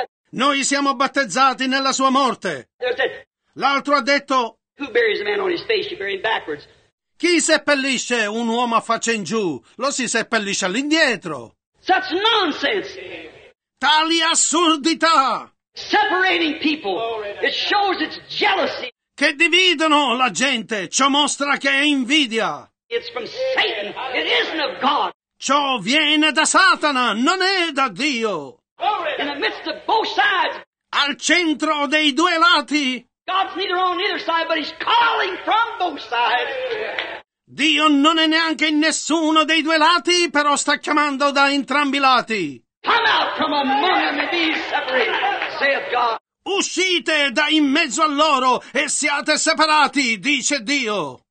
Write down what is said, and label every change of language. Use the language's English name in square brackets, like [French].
[Italian] Noi siamo battezzati nella sua morte. L'altro ha detto, [English] Who buries a man on his face? You bury him backwards. [Italian] Chi seppellisce un uomo a faccia in giù? Lo si seppellisce all'indietro. [English] Such nonsense! [Italian] Tali assurdità! [English] Separating people, it shows its jealousy. [Italian] Che dividono la gente, ciò mostra che è invidia. [English] It's from Satan, it isn't of God. [Italian] Ciò viene da Satana, non è da Dio. [English] In the midst of both sides. [Italian] Al centro dei due lati. [English] God's neither on either side, but he's calling from both sides. [Italian] Dio non è neanche in nessuno dei due lati, però sta chiamando da entrambi i lati. [English] Come out from among them and be separated, saith God. [Italian] Uscite da in mezzo a loro e siate separati, dice Dio.